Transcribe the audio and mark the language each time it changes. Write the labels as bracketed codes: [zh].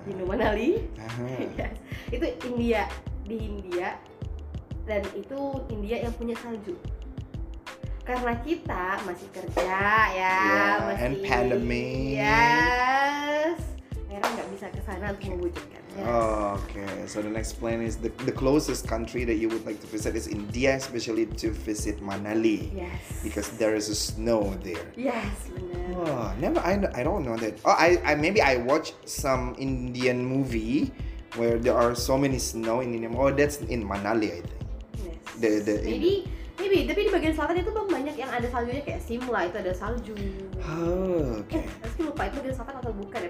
[en] You know Manali? Uh-huh. [id] Yes. Itu India, di India. Dan itu India yang punya salju. Karena kita masih kerja ya, [en] and pandemic. [id] Yes. Akhirnya nggak bisa ke sana untuk mewujudkan. [en] Yes. Oh, okay, so the next plan is the closest country that you would like to visit is India, especially to visit Manali. Yes. Because there is a snow there. Yes, Manali. Oh, never. I don't know that. Oh, I maybe I watch some Indian movie where there are so many snow in India. Oh, that's in Manali, I think. Yes. Maybe. [id] Tapi di bagian selatan itu banyak yang ada saljunya, kayak Simla itu ada salju. [en] Oh, okay. [id] Tapi lupa itu bagian selatan atau bukan ya.